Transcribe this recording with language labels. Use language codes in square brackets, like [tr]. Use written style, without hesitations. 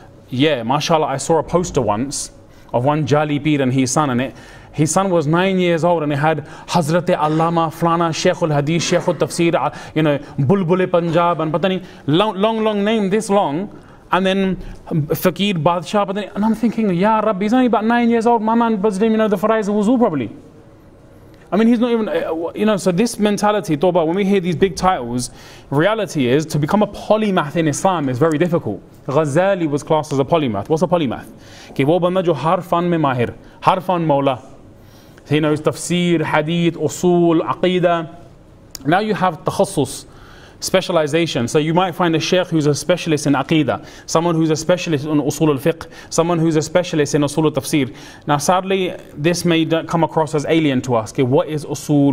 [en] Yeah, mashallah, I saw a poster once of one Jali Peer and his son, and his son was 9 years old and it had Hazrat Allama, Flana, Sheikh al Hadith, Sheikh al Tafsir, you know, Bulbul Punjab, and Patani, long name this long, and then Fakir, Badshah, Patani, and I'm thinking, Ya Rabbi, he's only about 9 years old, my man, Bazdim, you know, the Faraiz Wuzu probably. I mean, he's not even, you know, so this mentality, Toba, when we hear these big titles, reality is to become a polymath in Islam is very difficult. Ghazali was classed as a polymath. What's a polymath? [ur] کہ وہ بندہ جو ہرفن میں ماہر، ہرفن مولا۔ [en] He knows tafsir, hadith, usul, aqidah. Now you have takhassus, specialization. So you might find a sheikh who's a specialist in aqidah, someone who's a specialist in usul al-fiqh, someone who's a specialist in usul al-tafsir. Now sadly, this may come across as alien to us. Okay, what is usul?